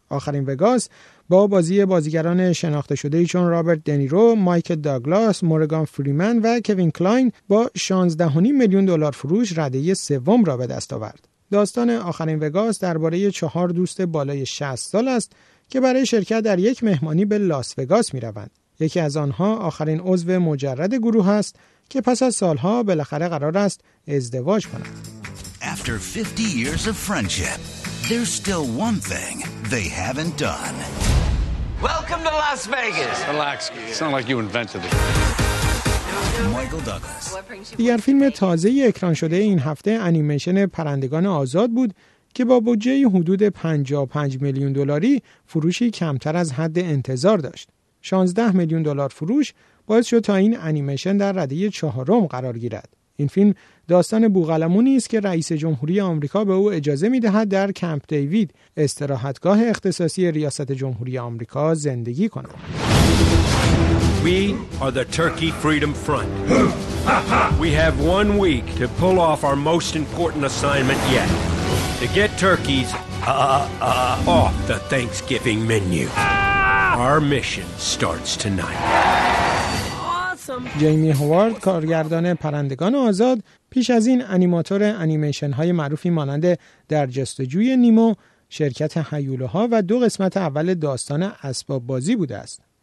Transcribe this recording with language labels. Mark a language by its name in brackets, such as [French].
[Persian] آخرین وگاس با بازی بازیگران شناخته شده چون رابرت دنیرو، مایکل داگلاس، مورگان فریمن و کوین کلاین با 16.5 میلیون دلار فروش رده سوم را به دست آورد. داستان آخرین وگاس درباره 4 دوست بالای 60 سال است که برای شرکت در یک مهمانی به لاس وگاس می روند. یکی از آنها آخرین عضو مجرد گروه است که پس از سالها بالاخره قرار است ازدواج کند. [English] After 50 years of friendship, there's still one thing they haven't done. Welcome to Las Vegas. Relax. It's not like you invented it. Michael Douglas. [Persian] دیگر فیلم تازه‌ای اکران شده این هفته انیمیشن پرندگان آزاد بود که با بودجه حدود 55 میلیون دلاری فروشی کمتر از حد انتظار داشت. 16 میلیون دلار فروش باعث شد تا این انیمیشن در رده چهارم قرار گیرد. این فیلم داستان بوغلمونی است که رئیس جمهوری آمریکا به او اجازه می‌دهد در کمپ دیوید، استراحتگاه اختصاصی ریاست جمهوری آمریکا، زندگی کند. [English] We are the Turkey Freedom Front. We have one week to pull off our most important assignment yet. To get turkeys off the Thanksgiving menu. Our mission starts tonight. [Persian] جیمی هوارد، کارگردان پرندگان آزاد، پیش از این انیماتور انیمیشن های معروفی مانند در جستجوی نیمو، شرکت هیولوها و دو قسمت اول داستان اسباب بازی بوده است.